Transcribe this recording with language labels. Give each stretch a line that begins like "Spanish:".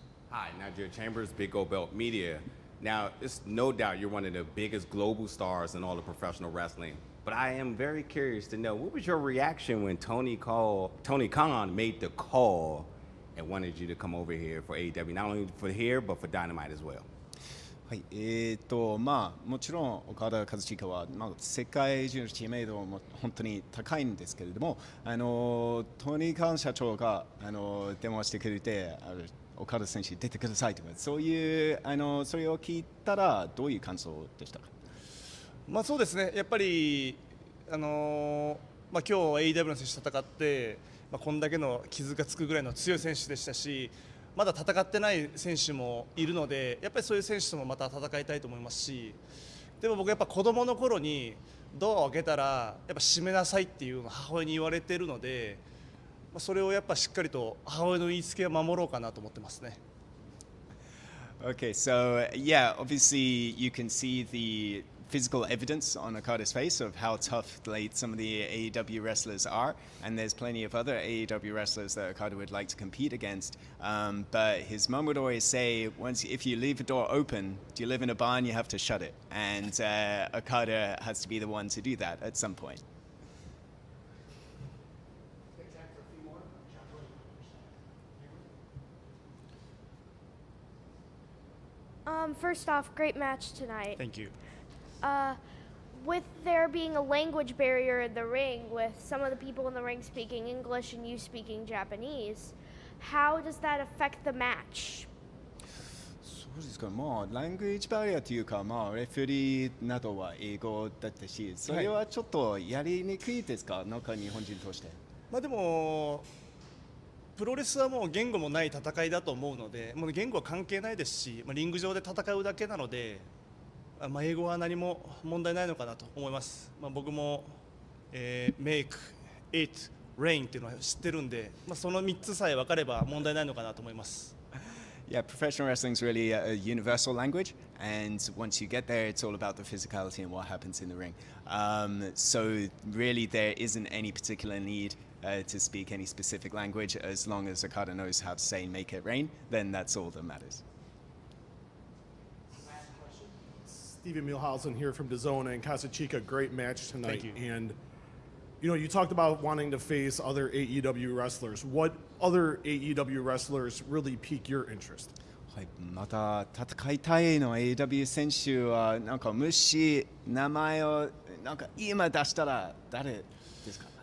English: Hi, Nigel Chambers, Big Gold Belt Media. Now, it's no doubt you're one of the biggest global stars in all of professional wrestling, but I am very curious to know, what was your reaction when Tony Khan made the call and wanted you to come over here for AEW, not only for here, but for Dynamite as well?
Japanese: はい、まあ、もちろん岡田和彦は、まあ、世界中の知名度も本当に高いんですけれども、トニー・カーン社長が電話してくれて、岡田選手出てくださいとか、そういうそれを聞いたらどういう感想でしたか。まあ、そうですね、やっぱりまあ、今日 AEW の選手と戦って、まあ、こんだけの傷がつくぐらいの強い選手でしたし、まだ戦ってない選手もいるので、やっぱりそういう選手ともまた戦いたいと思いますし、でも僕やっぱ子供の頃にドアを開けたらやっぱ閉めなさいっていうのを母親に言われているので、それをやっぱしっかりと母親の言いつけを守ろうかなと思ってますね。
English: Okay, so yeah, obviously you can see the physical evidence on Okada's face of how tough late some of the AEW wrestlers are, and there's plenty of other AEW wrestlers that Okada would like to compete against. But his mom would always say, once if you leave a door open, do you live in a barn, you have to shut it. And Okada has to be the one to do that at some point. First off, great match tonight. Thank you. With there being a language barrier in the ring, with some of the people in the ring speaking English and you speaking Japanese, how does that affect the match?
Japanese: そうですか。まあ、ラングイッジバリアというか、まあ、レフェリーなどは英語だったし、それはちょっとやりにくいですか、なんか日本人として。まあでも、プロレスはもう言語もない戦いだと思うので、もう言語は関係ないですし、まあ、リング上で戦うだけなので、まあ、英語は何も問題ないのかなと思います。まあ、僕も、
English: make, eat, rain
Japanese: っていうのは知ってるんで、まあ、その3つさえ分かれば問題ないのかなと思います。
English: Yeah, professional wrestling is really a universal language, and once you get there, it's all about the physicality and what happens in the ring. So really there isn't any particular need to speak any specific language. As long as Okada knows how to say make it rain, then that's all that matters. Steven Mielhausen here from DAZN and Casachica. Great match tonight. Thank you. And you know, you talked about wanting to face other AEW wrestlers. What other AEW wrestlers really pique your interest?
Japanese: はい、また戦いたいの AEW 選手はなんかもし名前をなんか今出したら誰ですか？